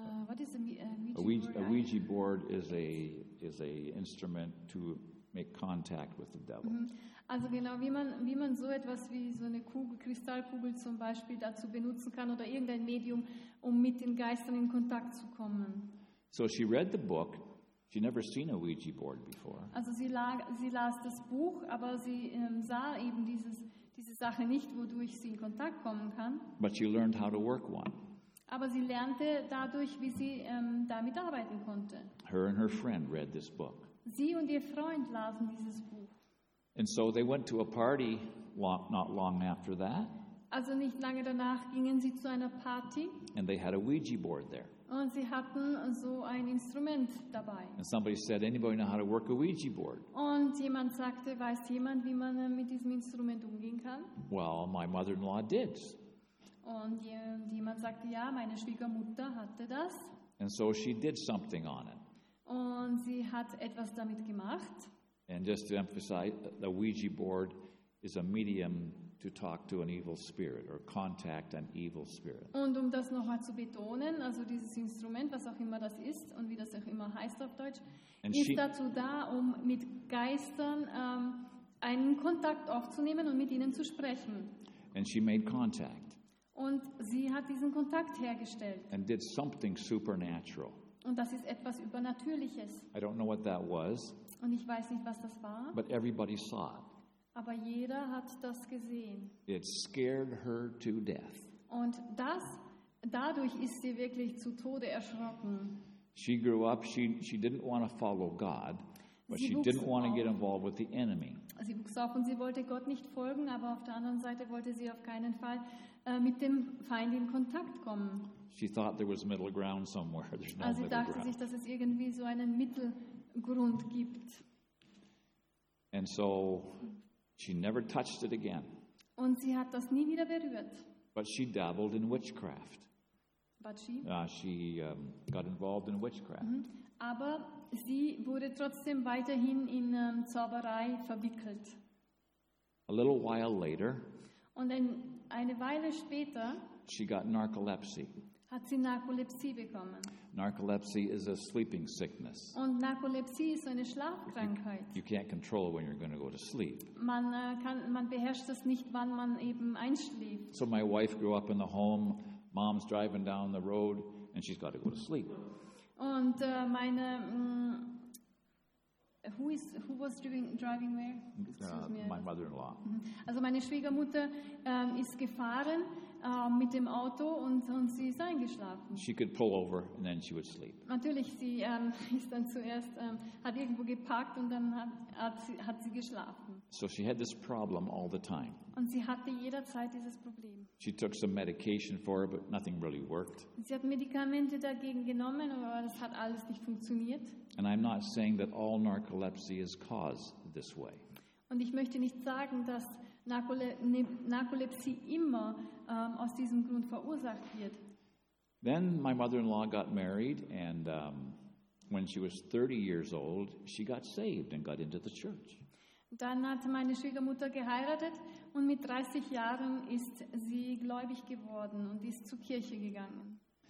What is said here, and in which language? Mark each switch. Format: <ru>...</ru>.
<en>A Ouija board is a instrument to make contact with the devil.</en> <de>Also genau, wie man so etwas wie so eine Kugel, Kristallkugel zum Beispiel dazu benutzen kann oder irgendein Medium, um mit den Geistern in Kontakt zu kommen.</de> <en>So she read the book. She never seen a Ouija board before.</en> <de>Also sie las das Buch, aber sie sah eben diese Sache nicht, wodurch sie in Kontakt kommen kann.</de> <en>But she learned how to work one.</en> <de>Aber sie lernte dadurch, wie sie damit arbeiten konnte.</de> <en>Her and her friend read this book.</en> <de>Sie und ihr Freund lasen dieses Buch.</de> <en>And so they went to a party not long after that.</en> <de>Also nicht lange danach gingen sie zu einer Party.</de> <en>And they had a Ouija board there.</en> <de>Und sie hatten so ein Instrument dabei.</de> <en>And somebody said, "Anybody know how to work a Ouija board?"</en> <de>Und jemand sagte, weiß jemand, wie man mit diesem Instrument umgehen kann?</de> <en>Well, my mother-in-law did.</en> <de>Und jemand sagte, ja, meine Schwiegermutter hatte das.</de> <en>And so she did something on it.</en> <de>Und sie hat etwas damit gemacht.</de> <en>And just to emphasize, the Ouija board is a medium to talk to an evil spirit or contact an evil spirit.</en> <de>Und um das nochmal zu betonen, also dieses Instrument, was auch immer das ist und wie das auch immer heißt auf Deutsch, and ist dazu da, um mit Geistern einen Kontakt aufzunehmen und mit ihnen zu sprechen.</de> <en>And she made contact.</en> <de>Und sie hat diesen Kontakt hergestellt.</de> <en>And did something supernatural.</en> <de>Und das ist etwas Übernatürliches.</de> <en>I don't know what that was.</en> <de>Und ich weiß nicht, was das war.</de> <en>But everybody saw it.</en> <de>Aber jeder hat das gesehen.</de> <en>It scared her to death.</en> <de>Und das, dadurch ist sie wirklich zu Tode erschrocken.</de> <en>She grew up, she didn't want to follow God. But she didn't want to get involved with the enemy.</en> <de>Sie wuchs auf und sie wollte Gott nicht folgen, aber auf der anderen Seite wollte sie auf keinen Fall mit dem Feind in Kontakt kommen.</de> <en>She thought there was middle ground somewhere. There's no middle ground.</en> <de>Also sie dachte sich, dass es irgendwie so einen Mittelgrund gibt.</de> <en>And so she never touched it again.</en> <de>Und sie hat das nie wieder berührt.</de> <en>But she dabbled in witchcraft. But she? Got involved in witchcraft. Mm-hmm.</en> <de>Aber sie wurde trotzdem weiterhin in Zauberei verwickelt.</de> <en>A little while later,</en> <de>und eine Weile später,</de> <en>she got narcolepsy.</en> <de>Hat sie Narkolepsie bekommen.</de> <en>Narcolepsy is a sleeping sickness.</en> <de>Und Narkolepsie ist eine Schlafkrankheit.</de> <en>You can't control when you're going to go to sleep.</en> <de>Man beherrscht das nicht, wann man eben einschläft.</de> <en>So my wife grew up in the home. Mom's driving down the road and she's got to go to sleep.</en> <de>Und meine</de> <en>who was driving where? My mother-in-law.</en> <de>Also meine Schwiegermutter ist gefahren mit dem Auto und sie ist eingeschlafen.</de> <en>She could pull over and then she would sleep.</en> <de>Natürlich, sie ist dann zuerst hat irgendwo geparkt und dann hat sie geschlafen.</de> <en>So she had this problem all the time.</en> <de>Und sie hatte jederzeit dieses Problem.</de> <en>She took some medication for it, but nothing really worked.</en> <de>Sie hat Medikamente dagegen genommen, aber das hat alles nicht funktioniert.</de> <en>And I'm not saying that all narcolepsy is caused this way.</en> <de>Und ich möchte nicht sagen, dass Narkolepsie immer aus diesem Grund verursacht wird.</de> <en>Then my mother-in-law got married and when she was 30 years old, she got saved and got into the church.</en> <de>Dann hat meine Schwiegermutter geheiratet und mit 30 Jahren ist sie gläubig geworden und ist zur Kirche gegangen.</de>